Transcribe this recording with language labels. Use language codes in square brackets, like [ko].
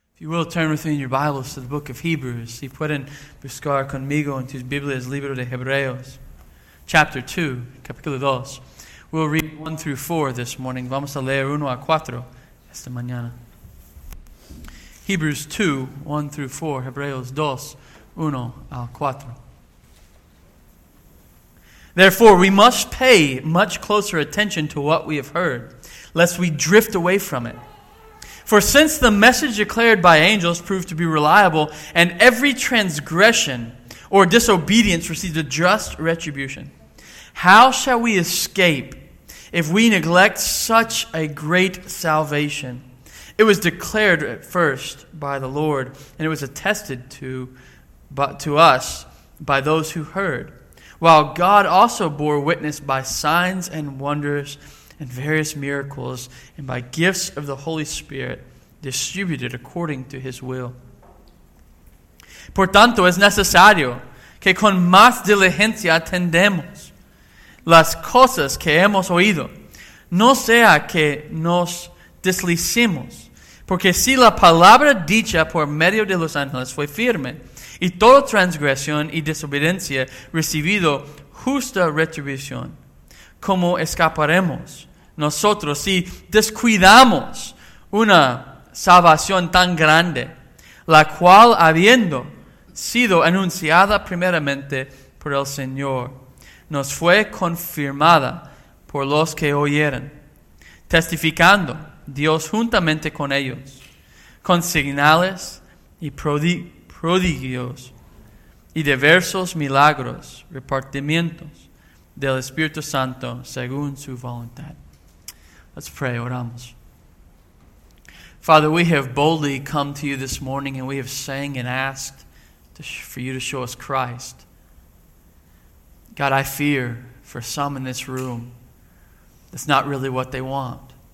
[en] You will turn with me in your Bibles to the book of Hebrews. [es] Si pueden buscar conmigo en tus Biblias, libro de Hebreos, [en] chapter 2, [es] capítulo 2. [en] We'll read 1 through 4 this morning. [es] Vamos a leer 1 a 4 esta mañana. [en] Hebrews 2, 1 through 4, [es] Hebreos 2, 1 a 4. [en] Therefore, we must pay much closer attention to what we have heard, lest we drift away from it. For since the message declared by angels proved to be reliable, and every transgression or disobedience received a just retribution, how shall we escape if we neglect such a great salvation? It was declared at first by the Lord, and it was attested to us by those who heard, while God also bore witness by signs and wonders and various miracles, and by gifts of the Holy Spirit distributed according to His will. [es] Por tanto, es necesario que con más diligencia atendamos las cosas que hemos oído, no sea que nos deslicemos, porque si la palabra dicha por medio de los ángeles fue firme, y toda transgresión y desobediencia recibido justa retribución, ¿cómo escaparemos nosotros si descuidamos una salvación tan grande, la cual habiendo sido anunciada primeramente por el Señor, nos fue confirmada por los que oyeron, testificando Dios juntamente con ellos, con señales y prodigios y diversos milagros, repartimientos del Espíritu Santo según su voluntad? [en] Let's pray, [es] oramos. [en] Father, we have boldly come to you this morning and we have sang and asked for you to show us Christ. God, I fear for some in this room, that's not really what they want.